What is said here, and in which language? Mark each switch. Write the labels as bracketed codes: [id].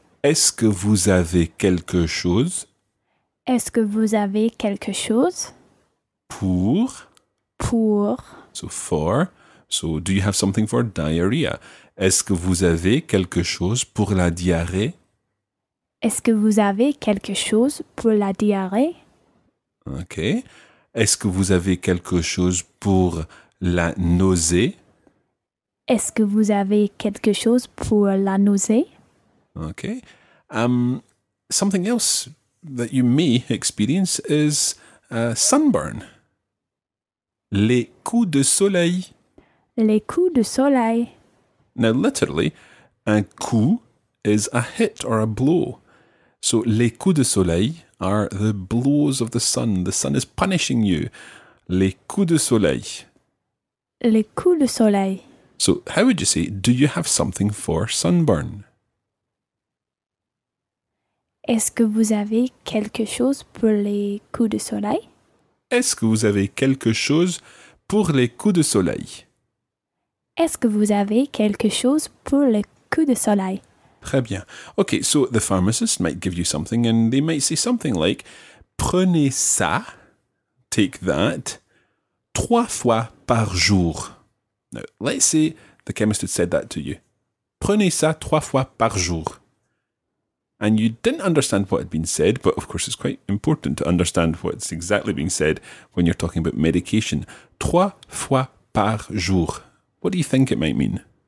[fr] Est-ce que vous avez quelque chose? Est-ce que vous avez quelque chose? Pour. Pour. [en] So for. So, do you have something for diarrhea? [fr] Est-ce que vous avez quelque chose pour la diarrhée? Est-ce que vous avez quelque chose pour la diarrhée? [en] OK. [fr] Est-ce que vous avez quelque chose pour la nausée? Est-ce que vous avez quelque chose pour la nausée? [en] OK. Something else that you may experience is sunburn. [fr] Les coups de soleil. Les coups de soleil. [en] Now, literally, un coup is a hit or a blow. So, les coups de soleil are the blows of the sun. The sun is punishing you. [fr] Les coups de soleil. Les coups de soleil. [en] So, how would you say, do you have something for sunburn? [fr] Est-ce que vous avez quelque chose pour les coups de soleil? Est-ce que vous avez quelque chose pour les coups de soleil? Est-ce que vous avez quelque chose pour les coups de soleil? [en] Très bien. OK, so the pharmacist might give you something and they might say something like, [fr] prenez ça, [en] take that, [fr] trois fois par jour. [en] Now, let's say the chemist had said that to you. [fr] Prenez ça trois fois par jour. [en] And you didn't understand what had been said, but of course it's quite important to understand what's exactly being said when you're talking about medication. [fr] Trois fois par jour. [en] What do you think it might mean?